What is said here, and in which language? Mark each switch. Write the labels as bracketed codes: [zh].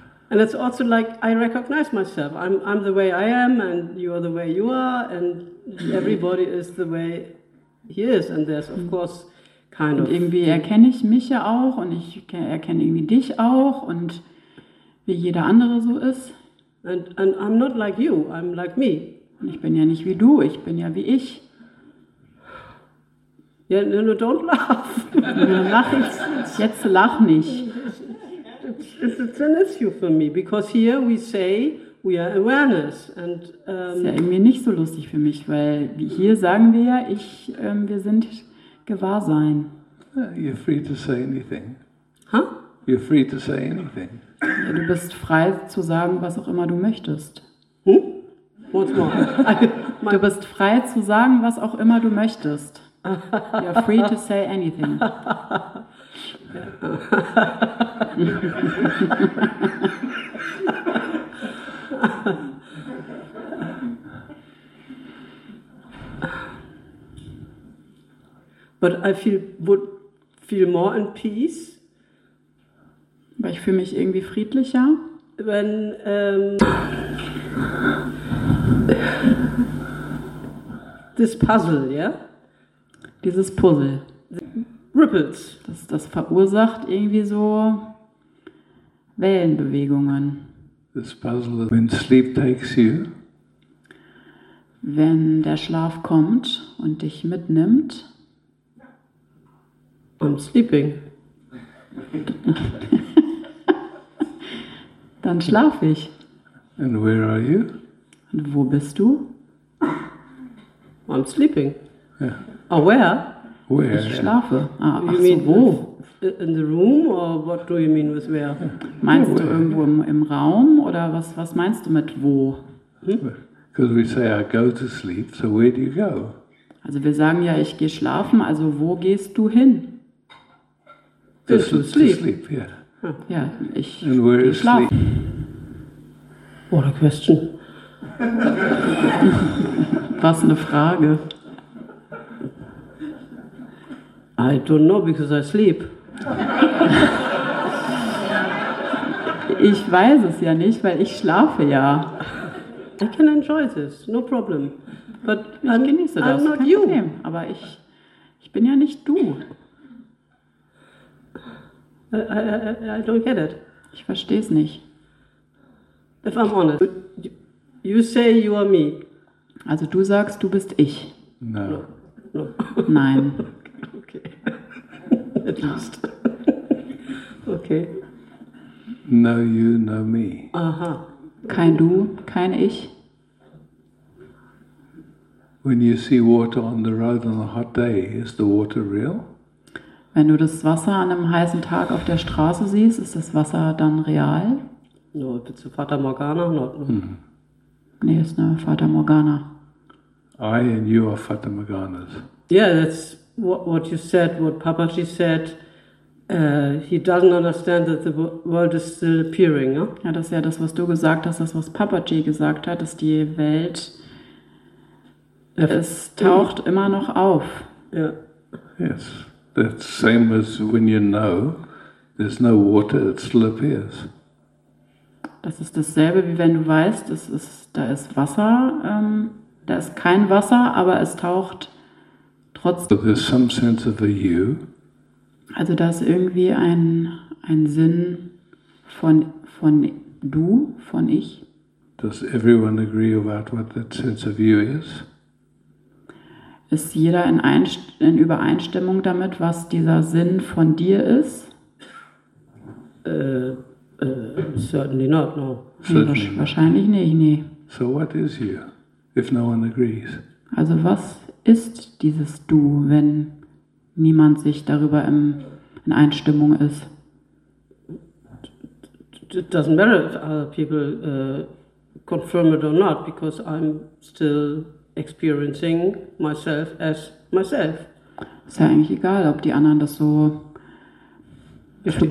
[en] And it's also like I recognize myself. I'm the way I am, and you are the way you are, and everybody is the way he is. And there's of course kind [de] und [en] of. [de] Und irgendwie erkenne ich mich ja auch, und ich erkenne irgendwie dich auch, und wie jeder andere so ist. [en] And I'm not like you. I'm like me. [de] Und ich bin ja nicht wie du. Ich bin ja wie ich. [en] Yeah, no, don't laugh. [de] Jetzt lach nicht. [en] It's an issue for me, because here we say we are awareness. And, [de] ist ja irgendwie nicht so lustig für mich, weil hier sagen wir ja, wir sind Gewahrsein. [en] You're free to say anything. Huh? You're free to say anything. [de] Ja, du bist frei zu sagen, was auch immer du möchtest. [en] Hm? What's more? [de] Du bist frei zu sagen, was auch immer du möchtest. [en] You're free to say anything. But I would feel more in peace. [de] Weil ich fühle mich irgendwie friedlicher. [en] Wenn this puzzle, yeah? [de] Dieses Puzzle. [en] The ripples. [de] Das verursacht irgendwie so Wellenbewegungen. [en] This puzzle, when sleep takes you. [de] Wenn der Schlaf kommt und dich mitnimmt. [en] I'm sleeping. [de] Dann schlafe ich. [en] And where are you? [de] Und wo bist du? [en] I'm sleeping. Yeah. Oh, where? Where? [de] Ich schlafe. Ah, [en] you [de] ach [en] mean [de] so, wo? [en] In the room or what do you mean with where? [de] Meinst where? Du irgendwo im Raum oder was meinst du mit wo? [en] Because we say I go to sleep, so where do you go? [de] Also wir sagen ja, ich gehe schlafen, also wo gehst du hin? [en] To sleep, yeah. [de] Ja, ich [en] and where is sleep? What a question. [de] Was eine Frage. [en] I don't know because I sleep. [de] Ich weiß es ja nicht, weil ich schlafe ja. [en] I can enjoy this, no problem. But [de] ich genieße das, [en] I'm not [de] kein [en] you. [de] Problem. Aber ich bin ja nicht du. [en] I don't get it. [de] Ich verstehe es nicht. [en] If I'm honest, you say you are me. [de] Also du sagst, du bist ich. [en] No. No. [de] Nein. [en] Okay. At least. Okay. No you, no me. Aha. [de] Kein du, kein ich. [en] When you see water on the road on a hot day, is the water real? [de] Wenn du das Wasser an einem heißen Tag auf der Straße siehst, ist das Wasser dann real? [en] No, it's a Fata Morgana, not me. [de] Nee, es ist eine Fata Morgana. [en] I and you are Fata Morganas. Yeah, that's what you said, what Papaji said. He doesn't understand that the world is still appearing. Eh? [de] Ja, das ist ja das, was du gesagt hast, das, was Papaji gesagt hat, dass die Welt, es taucht immer noch auf. Ja. [en] Yes. That's the same as when you know there's no water, it still appears. [de] Das ist dasselbe, wie wenn du weißt, da ist Wasser, da ist kein Wasser, aber es taucht trotzdem. [en] So there's some sense of a you. [de] Also da ist irgendwie ein Sinn von du, von ich. [en] Does everyone agree about what that sense of you is? [de] Ist jeder in Übereinstimmung damit, was dieser Sinn von dir ist? [en] Certainly not, no. [de] Nee, wahrscheinlich nicht, nee. [en] So what is you, if no one agrees? [de] Also was ist dieses Du, wenn niemand sich darüber in Einstimmung ist? [en] It doesn't matter if other people confirm it or not, because I'm still experiencing myself as myself. [de] Ist ja eigentlich egal, ob die anderen das so bestätigen.